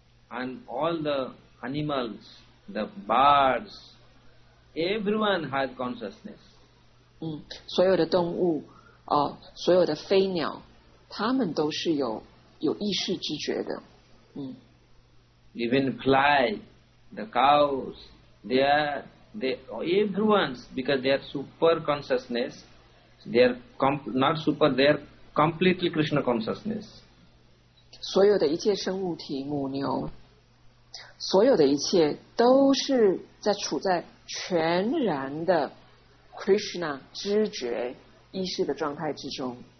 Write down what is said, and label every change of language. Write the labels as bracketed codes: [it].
[en] And all the animals, the birds, everyone has consciousness. [zh] 所有的动物，所有的飞鸟，它们都是有意识知觉的。 [en] Even fly, the cows, everyone's, because they are super consciousness, they are not super, they are completely Krishna consciousness. [zh] 所有的一切生物体，母牛，所有的一切都是在处在全然的 Krishna 知觉意识的状态之中。